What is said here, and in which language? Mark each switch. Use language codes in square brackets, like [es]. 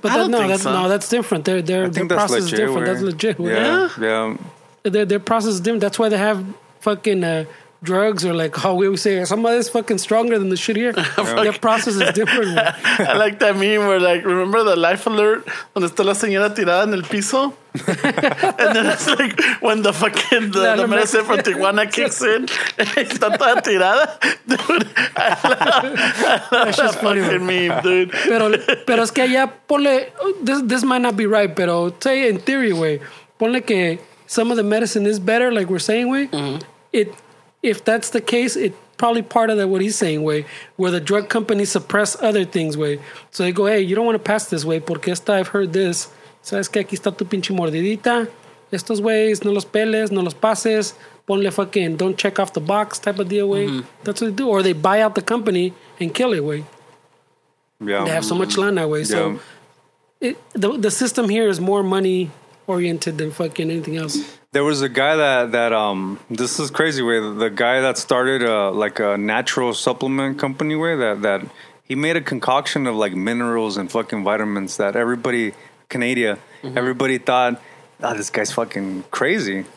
[en] That's different. Their process is different. Yeah. Their process is different. That's why they have fucking drugs, or like how we always say, somebody's fucking stronger than the shit here. Their process is different. I like that meme where, like, remember the Life Alert? [es] Donde está la señora tirada en el piso? [en] And then it's like when the fucking the medicine from Tijuana kicks in, [es] está toda tirada. [en] Dude, that's just fucking meme, dude. [es] Pero es que allá ponle, [en] this might not be right, pero say in theory, way, [es] ponle que [en] some of the medicine is better, like we're saying, way. If that's the case, it probably part of that what he's saying, way, where the drug companies suppress other things, way. So they go, hey, you don't want to pass this way, [es] porque esta, [en] I've heard this. [es] Sabes que aquí está tu pinche mordidita. Estos ways, no los peles, no los pases. [en] Ponle fucking, don't check off the box type of deal, way. Mm-hmm. That's what they do. Or they buy out the company and kill it, way. Yeah. They have so much land that way. Yeah. So the system here is more money oriented than fucking anything else. There was a guy that this is crazy, way. The guy that started like a natural supplement company, way, that he made a concoction of like minerals and fucking vitamins that everybody, Canada, everybody thought, oh, this guy's fucking crazy.